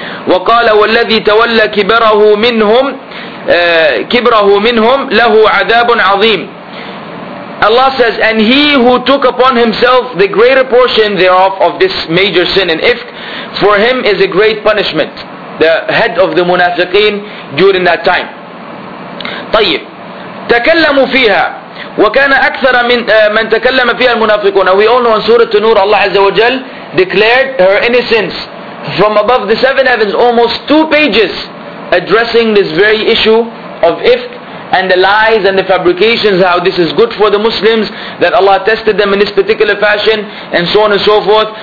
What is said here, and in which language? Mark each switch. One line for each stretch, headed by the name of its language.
Arabic: وَقَالَ وَالَّذِي تَوَلَّى كِبَرَهُ مِنْهُمْ كِبْرَهُ مِنْهُمْ لَهُ عَذَابٌ عَظِيمٌ.
English: Allah says, and he who took upon himself the greater portion thereof of this major sin in ifk, for him is a great punishment. The head of the munafiqeen during that time.
Arabic: طيب تكلموا فيها وكان أكثر من تكلم فيها المنافقون.
English: We all know in Surah An-Nur, Allah Azza wa Jal declared her innocence from above the seven heavens, almost two pages addressing this very issue of ifk and the lies and the fabrications, how this is good for the Muslims, that Allah tested them in this particular fashion, and so on and so forth.